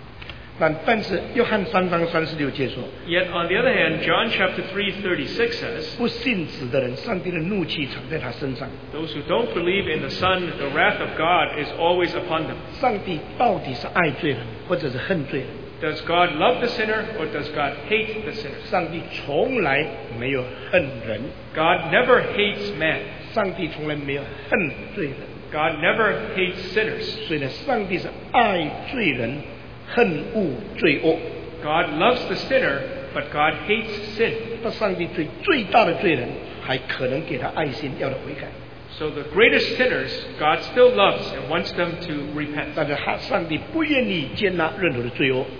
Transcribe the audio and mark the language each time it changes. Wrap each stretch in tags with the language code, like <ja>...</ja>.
<zh>等一下再安排别的事情好吗？但是约翰三章三十六节说，</zh> <en>Yet on the other hand, John chapter 3:36 says,</en> <zh>不信子的人，上帝的怒气常在他身上。</zh> <en>Those who don't believe in the Son, the wrath of God is always upon them.</en> <zh>上帝到底是爱罪人，或者是恨罪人？</zh> <en>Does God love the sinner, or does God hate the sinner?</en> <zh>上帝从来没有恨人。</zh> <en>God never hates man.</en> <zh>上帝从来没有恨罪人。</zh> <en>God never hates sinners.</en> <zh>所以呢，上帝是爱罪人，恨恶罪恶。</zh> <en>God loves the sinner, but God hates sin.</en> <zh>那上帝最大的罪人，还可能给他爱心，要他悔改。</zh> <en>So the greatest sinners, God still loves and wants them to repent.</en> <zh>但是上帝不愿意接纳任何的罪恶。</zh>